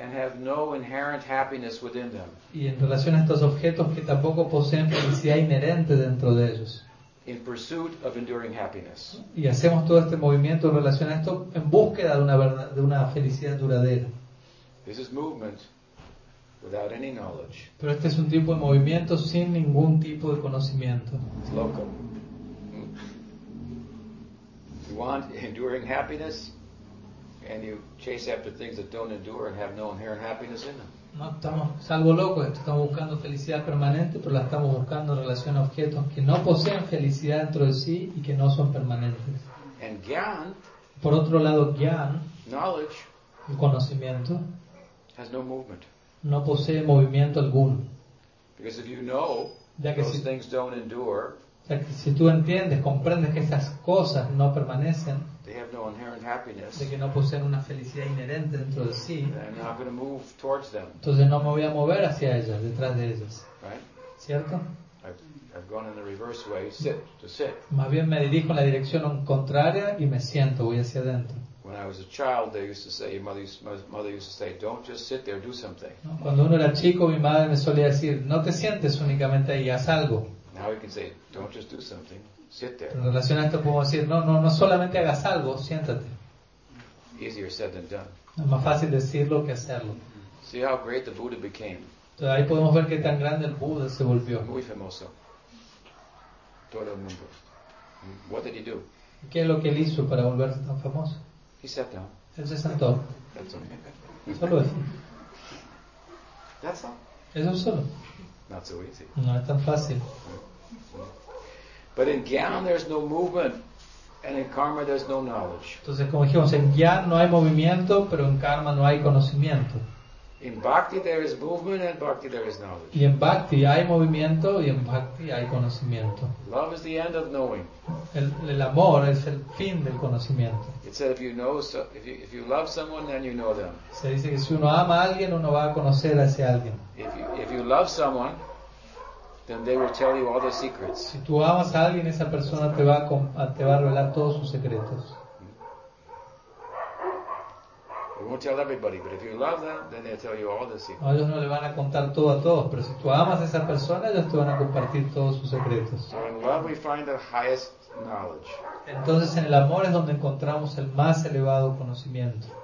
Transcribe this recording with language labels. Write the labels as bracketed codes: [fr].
[en] And have no inherent happiness within them. [es] Y en relación a estos objetos que tampoco poseen felicidad inherente dentro de ellos. [en] In pursuit of enduring happiness. [es] Y hacemos todo este movimiento en relación a esto en búsqueda de una felicidad duradera. [en] This is movement without any knowledge. [es] Pero este es un tipo de movimiento sin ningún tipo de conocimiento. [en] It's local. You want enduring happiness, and you chase after things that don't endure and have no inherent happiness in them. [es] No, estamos algo locos. Estamos buscando felicidad permanente, pero la estamos buscando en relación a objetos que no poseen felicidad dentro de sí y que no son permanentes. [en] And gyan, [es] por otro lado, gyan, [en] knowledge, [es] el conocimiento, [en] has no movement. [es] No posee movimiento alguno. [en] Because if you know, [es] ya que [en] those things don't endure, [es] ya que si tú entiendes, comprendes que esas cosas no permanecen, [en] they have no inherent happiness, [es] de que no poseen una felicidad inherente dentro de sí, [en] then I'm not going to move towards them. [es] Entonces no me voy a mover hacia ellas, detrás de ellas. [en] Right? [es] ¿Cierto? [en] I've gone in the reverse way, sit, to sit. [es] Más bien me dirijo en la dirección contraria y me siento, voy hacia adentro. [en] When I was a child, they used to say, mother used to say, don't just sit there, do something. [es] Cuando uno era chico, mi madre me solía decir, no te sientes únicamente ahí, haz algo. [en] Now we can say, don't just do something, sit there. [es] En relación a esto, podemos decir, no solamente hagas algo, siéntate. [en] Easier said than done. [es] Es más fácil decirlo que hacerlo. [en] See how great the Buddha became. [es] Entonces ahí podemos ver qué tan grande el Buda se volvió. Muy famoso. Todo el mundo. [en] What did he do? [es] ¿Qué es lo que él hizo para volverse tan famoso? [en] He sat down. [es] Él se sentó. Solo eso. [en] That's all. [es] Eso solo. [en] Not so easy. [es] No es tan fácil. [en] But in Gyan there's no movement, and in Karma there's no knowledge. [es] Entonces, como dijimos, en Gyan no hay movimiento, pero en Karma no hay conocimiento. [en] In Bhakti there is movement, and Bhakti there is knowledge. [es] Y en Bhakti hay movimiento y en Bhakti hay conocimiento. [en] Love is the end of knowing. [es] El amor es el fin del conocimiento. [en] It said if you love someone, then you know them. [es] Se dice que si uno ama a alguien, uno va a conocer a ese alguien. [en] If you love someone, then they will tell you all their secrets. [es] Si tú amas a alguien, esa persona te va a revelar todos sus secretos. [en] We won't tell everybody, but if you love them, then they'll tell you all the secrets. [es] No, ellos no le van a contar todo a todos, pero si tú amas a esa persona, ellos te van a compartir todos sus secretos. [en] So in love we find the highest knowledge. [es] Entonces en el amor es donde encontramos el más elevado conocimiento.